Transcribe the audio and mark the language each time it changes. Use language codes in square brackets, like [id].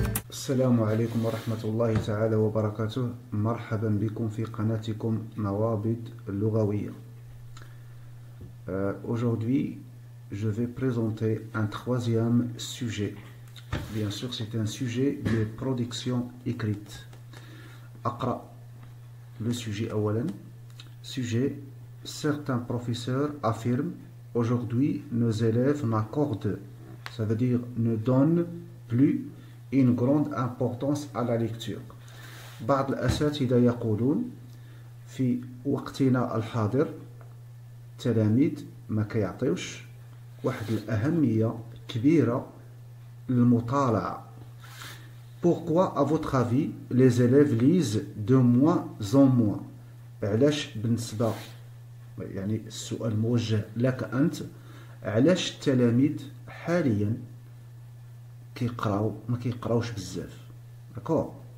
[ar] السلام عليكم ورحمة الله تعالى وبركاته. مرحبا بكم في قناتكم نوابض لغوية. [fr] Aujourd'hui, je vais présenter un troisième sujet. Bien sûr, c'est un sujet de production écrite. [ar] أقرأ [fr] le sujet [ar] أولا. [fr] Sujet, certains professeurs affirment aujourd'hui nos élèves n'accordent, ça veut dire ne donnent plus une grande importance à la lecture. [ar] بعض الأساتذة يقولون في وقتنا الحاضر التلاميذ ما كيعطيوش واحد الأهمية كبيرة للمطالعة. [fr] Pourquoi à votre avis les élèves lisent de moins en moins؟ [ar] علاش بالنسبة يعني السؤال موجه لك أنت، علاش التلاميذ حاليا كيقراو ما كيقراوش بزاف؟ داكور.